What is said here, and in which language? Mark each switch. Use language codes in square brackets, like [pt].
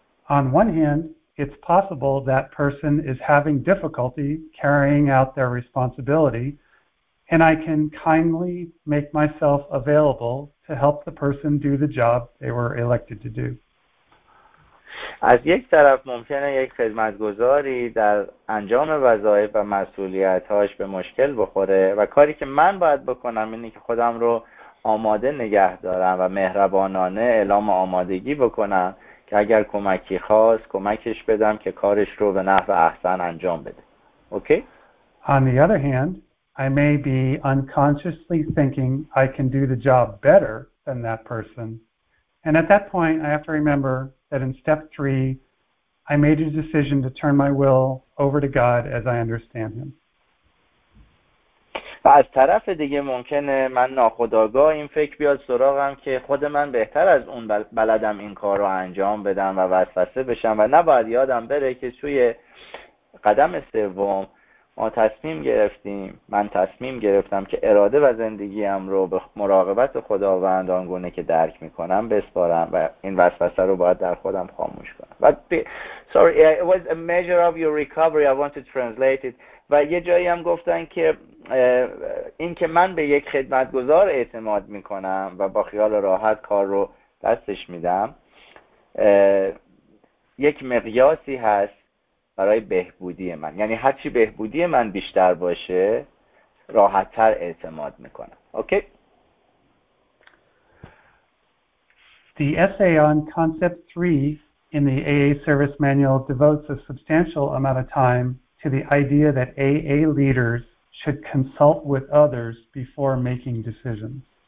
[en] On one hand, it's possible that person is having difficulty carrying out their responsibility and I can kindly make myself available to help the person do the job they were elected to do. [fa] از یک طرف ممکنه یک خدمتگذاری در انجام وظایف و مسئولیتهاش به مشکل بخوره و کاری که من باید بکنم اینه که خودم رو آماده نگه دارم و مهربانانه اعلام آمادگی بکنم که اگر کمکی خواست کمکش بدم که کارش رو به نحو احسن انجام بده. [en] Okay? On the other hand, I may be unconsciously thinking I can do the job better than that person. And at that point, I have to remember that in step three, I made a decision to turn my will over to God as I understand him. [fa] و از طرف دیگه ممکنه من ناخودآگاه این فکر بیاد سراغم که خود من بهتر از اون بلدم این کار رو انجام بدم و وسوسه بشم و نباید یادم بره که توی قدم سوم ما تصمیم گرفتیم من تصمیم گرفتم که اراده و زندگیم رو به مراقبت خداوند آنگونه که درک میکنم بسپارم و این وسوسه رو باید در خودم خاموش کنم. [en] Sorry, it was a measure of your recovery. I want to translate it. [fa] و یه جایی هم گفتن که این که من به یک خدمتگزار اعتماد میکنم و با خیال راحت کار رو دستش میدم یک مقیاسی هست برای بهبودی من. یعنی هرچی بهبودی من بیشتر باشه راحت تر اعتماد میکنم. [en] Okay? The essay on concept 3 in the AA service manual devotes a substantial amount of time to the idea that AA leaders should consult with others before making decisions.